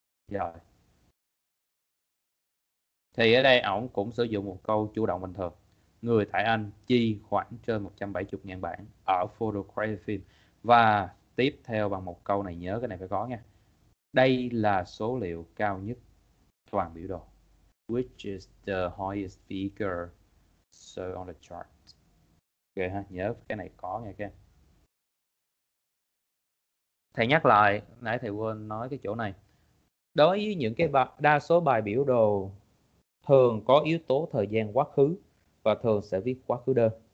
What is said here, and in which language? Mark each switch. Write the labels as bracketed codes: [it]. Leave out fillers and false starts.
[vi] Rồi thì ở đây ổng cũng sử dụng một câu chủ động bình thường, người tại Anh chi khoảng trên 170.000 bảng ở photo credit film, và tiếp theo bằng một câu này, nhớ cái này phải có nha, đây là số liệu cao nhất toàn biểu đồ. [en] Which is the highest figure shown on the chart. [vi] Ok ha, nhớ cái này có nghe kia. Thầy nhắc lại, nãy thầy quên nói cái chỗ này. Đối với những cái đa số bài biểu đồ thường có yếu tố thời gian quá khứ và thường sẽ viết quá khứ đơn.